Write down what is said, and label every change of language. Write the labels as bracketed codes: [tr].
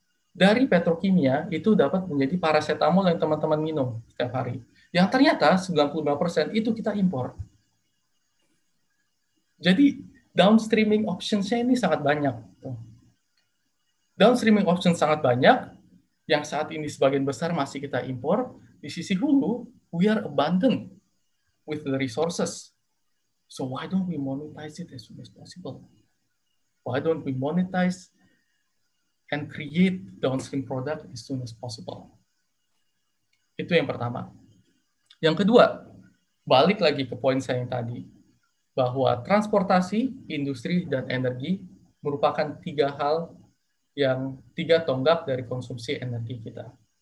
[id] Dari petrokimia, itu dapat menjadi paracetamol yang teman-teman minum setiap hari. yang ternyata 95% itu kita impor. Jadi downstreaming options-nya ini sangat banyak. Downstreaming options sangat banyak, yang saat ini sebagian besar masih kita impor. Di sisi hulu, [en] we are abundant with the resources. So why don't we monetize it as soon as possible? Why don't we monetize and create downstream product as soon as possible? [id] Itu yang pertama. Yang kedua, balik lagi ke poin saya yang tadi, bahwa transportasi, industri, dan energi merupakan tiga hal yang tiga tonggak dari konsumsi energi kita.